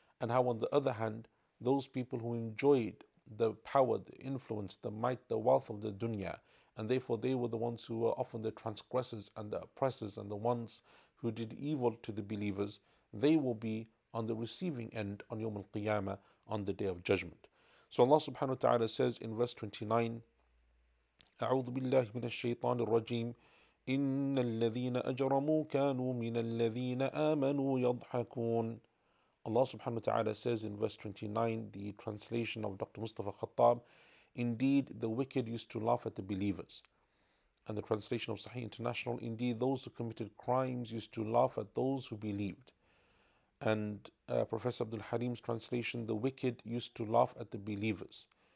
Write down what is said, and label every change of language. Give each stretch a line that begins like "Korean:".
English: And how on the other hand, those people who enjoyed the power, the influence, the might, the wealth of the dunya, and therefore they were the ones who were often the transgressors and the oppressors and the ones who did evil to the believers, they will be on the receiving end on Yawm al-Qiyamah, on the Day of Judgment. So Allah subhanahu wa ta'ala says in verse 29,
Arabic: أعوذ بالله من الشيطان الرجيم. إن الذين أجرموا كانوا من الذين آمنوا يضحكون.
English: Allah subhanahu wa ta'ala says in verse 29, the translation of Dr. Mustafa Khattab, indeed the wicked used to laugh at the believers. And the translation of Sahih International, indeed those who committed crimes used to laugh at those who believed. And Professor Abdul Halim's translation, the wicked used to laugh at the believers.